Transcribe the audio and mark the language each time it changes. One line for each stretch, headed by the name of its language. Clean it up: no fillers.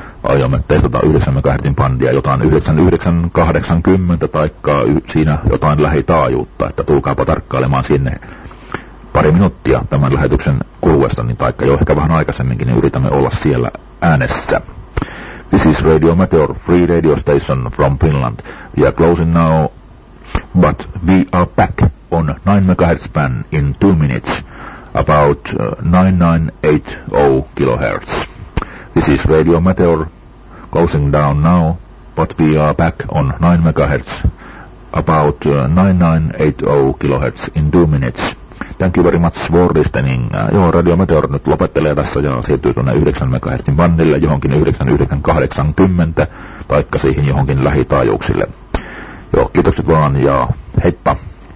Finnish: Aiomme testata 9 MHz bandia, jotain 9980 taikka siinä jotain lähitaajuutta, että tulkaapa tarkkailemaan sinne pari minuuttia tämän lähetyksen kuluessa, niin taikka jo ehkä vähän aikaisemminkin, niin yritämme olla siellä äänessä.
English: This is Radio Meteor, free radio station from Finland. We are closing now, but we are back on 9 MHz band in 2 minutes, about 9980 kHz. This is Radio Meteor, closing down now, but we are back on 9 MHz, about 9980 kHz in 2 minutes. Thank you very much for listening.
Finnish: Joo, Radio Meteor nyt lopettelee tässä ja siirtyy tuonne 9 MHz bandille johonkin 9980, taikka siihen johonkin lähitaajuuksille. Joo, kiitokset vaan ja heippa!